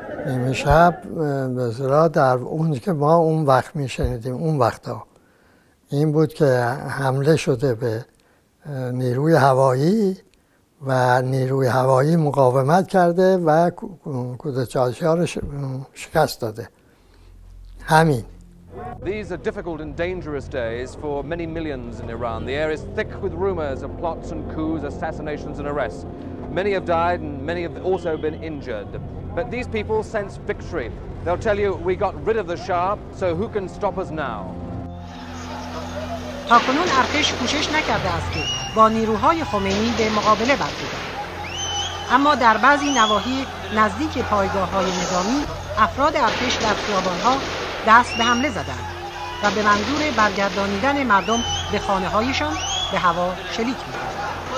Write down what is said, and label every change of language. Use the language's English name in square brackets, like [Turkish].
[Persian] نیمه شب به زرا در اون که ما اون وقت میشنیدیم، اون وقتا این بود که حمله شده به نیروی هوایی و نیروی هوایی مقاومت کرده و کودتاشی ها رو شکست داده. همین. [English] These are difficult and dangerous days for many millions in Iran. The air is thick with rumors of plots and coups, assassinations and arrests. Many have died and many have also been injured. But these people sense victory. They'll tell you, we got rid of the Shah, so who can stop us now? [Persian] تا کنون ارتش کوشش نکرده است که با نیروهای خمینی به مقابله برخیزد. اما در بعضی نواحی نزدیک پایگاه‌های نظامی، افراد ارتش در خیابان‌ها دست به حمله زدند و به منظور برگردانیدن مردم به خانه‌هایشان به هوا شلیک می‌کنند.